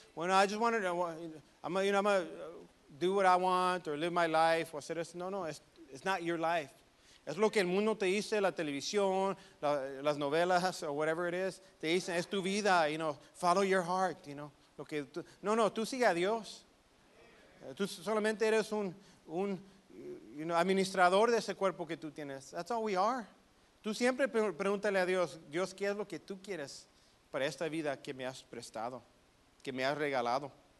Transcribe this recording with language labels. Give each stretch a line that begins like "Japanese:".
English: Bueno, I just wanted to, I'm going to do what I want or live my life. Or no, no, it's not your life.
Spanish: Es lo que el mundo te dice, la televisión, las novelas,
English: or whatever it is.
Spanish: Te dicen, es tu vida,
English: you know, follow your heart, you know.
Spanish: Lo que tú, no, no, tú sigue a Dios. Tú solamente eres un
English: you know,
Spanish: administrador de ese cuerpo que tú tienes.
English: That's all we are.
Spanish: Tú siempre pregúntale a Dios, Dios, ¿qué es lo que tú quieres para esta vida que me has prestado, que me has regalado?